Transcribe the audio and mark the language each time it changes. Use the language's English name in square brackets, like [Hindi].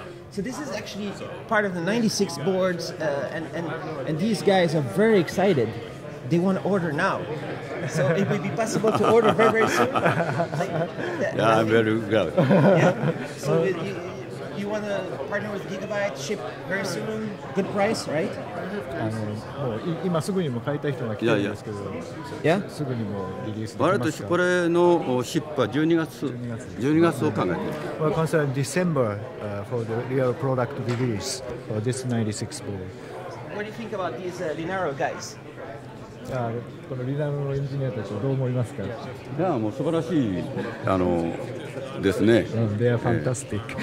[English] So this is actually part of the 96 boards, and these guys are very excited. They want to order now. So it would be possible to order very, very soon. Yeah, I'm very glad. Yeah. So you want to partner with Gigabyte, ship very soon, good price, right? [Japanese] もう今すぐにも買いたい人が来てるんですけど、すぐにもリリース。我々としてこれの出荷12月を考えて。まあ、関西は [English] December for the real product release for this 96 ball. What do you think about these Linaro guys? [Japanese] このLinaroのエンジニアたちはどう思いますか? いや、もう素晴らしい。 [English] They are fantastic.